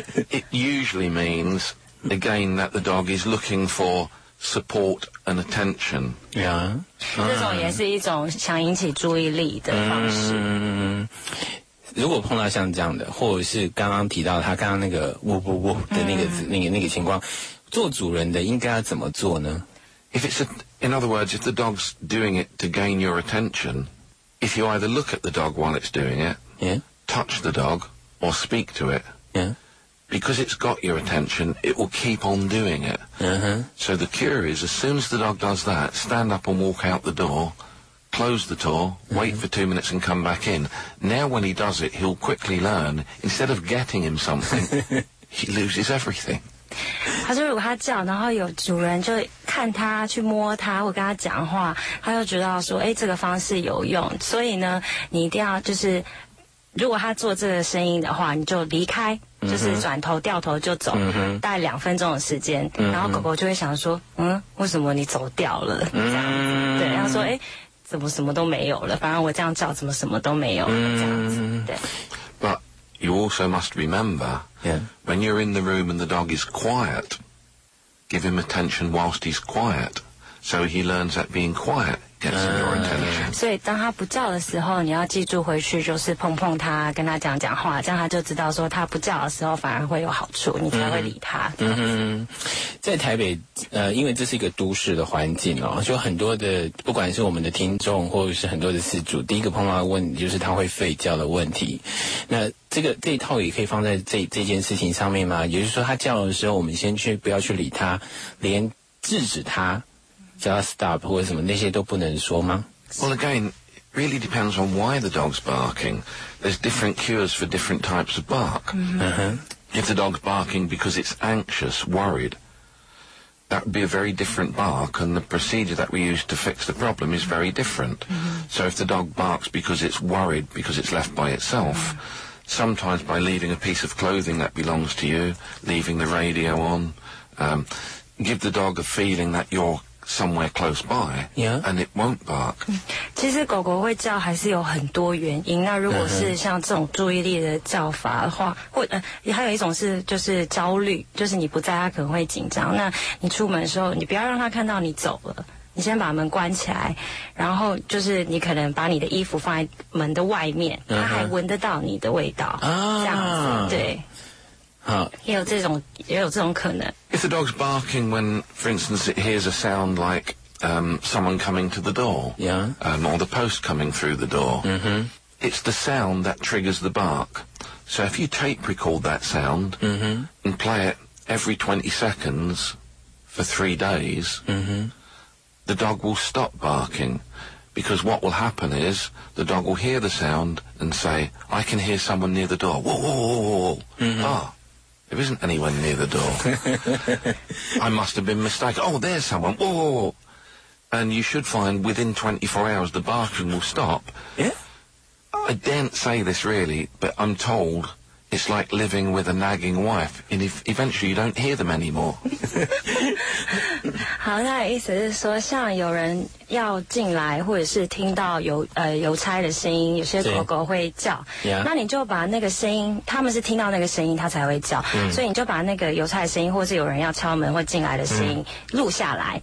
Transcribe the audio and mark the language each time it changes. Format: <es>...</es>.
<en>It usually means, again, that the dog is looking for support and attention. Yeah.</en> <zh>这种也是一种想引起注意力的方式。如果碰到像这样的，或者是刚刚提到他刚刚那个呜呜呜的那个情况，做主人的应该要怎么做呢？</zh> <en>In other words, if the dog's doing it to gain your attention, if you either look at the dog while it's doing it,、 yeah. touch the dog, or speak to it,、 yeah. because it's got your attention, it will keep on doing it. Uh-huh. So the cure is, as soon as the dog does that, stand up and walk out the door, close the door, mm-hmm. wait for 2 minutes and come back in. Now when he does it, he'll quickly learn, instead of getting him something, he loses everything.</en> <zh>他说如果他叫，然后有主人就看他去摸他或跟他讲话，他就知道说，哎，这个方式有用。所以呢，你一定要就是，如果他做这个声音的话，你就离开，就是转头掉头就走， mm-hmm. 大概两分钟的时间。Mm-hmm. 然后狗狗就会想说，嗯，为什么你走掉了？这样子， mm-hmm. 对，他说，哎，怎么什么都没有了？反正我这样叫，怎么什么都没有了？这样子，对。</zh> <en>But you also must remember. Yeah. When you're in the room and the dog is quiet, give him attention whilst he's quiet. So he learns that being quiet gets him your attention.</en> <zh>所以当他不叫的时候，你要记住回去就是碰碰他，跟他讲讲话，这样他就知道说他不叫的时候反而会有好处，你才会理他。嗯哼，在台北，因为这是一个都市的环境哦，就很多的，不管是我们的听众或者是很多的饲主，第一个碰到的问题就是他会吠叫的问题。那这一套也可以放在这件事情上面吗？也就是说，他叫的时候，我们先去不要去理他，连制止他叫他 stop 或者什么那些都不能说吗</zh> <en>？Well, again, really depends on why the dog's barking. There's different cures for different types of bark.、 Mm-hmm. If the dog's barking because it's anxious, worried, that would be a very different bark, and the procedure that we use to fix the problem is very different.、 Mm-hmm. So if the dog barks because it's worried, because it's left by itself.、Mm-hmm. Sometimes by leaving a piece of clothing that belongs to you, leaving the radio on, give the dog a feeling that you're somewhere close by, yeah. and it won't bark.、</en> <zh>嗯、其实狗狗会叫还是有很多原因。那如果是像这种注意力的叫法的话，或还有一种是就是焦虑，就是你不在它可能会紧张。那你出门的时候，你不要让它看到你走了。你先把门关起来，然后就是你可能把你的衣服放在门的外面，它、uh-huh. 还闻得到你的味道、 uh-huh. 这样子，对，好，也有这种可能。</zh> <en>If the dog's barking when, for instance, it hears a sound like someone coming to the door, yeah, or the post coming through the door,、 mm-hmm. it's the sound that triggers the bark. So if you tape record that sound、 mm-hmm. and play it every 20 seconds for 3 days.、 Mm-hmm. The dog will stop barking, because what will happen is the dog will hear the sound and say, "I can hear someone near the door." Whoa, whoa, whoa, whoa! Mm-hmm. Oh, there isn't anyone near the door. I must have been mistaken. Oh, there's someone. Whoa, whoa, whoa! And you should find within 24 hours the barking will stop. Yeah. I didn't say this really, but I'm told. It's like living with a nagging wife, and eventually you don't hear them anymore.</en> <zh>好，那意思是说，像有人要进来，或者是听到邮差的声音，有些狗狗会叫。</zh> <en>Yeah.</en> <zh>那你就把那个声音，他们是听到那个声音，它才会叫。嗯、所以你就把那个邮差的声音，或是有人要敲门或进来的声音、嗯、录下来，</zh>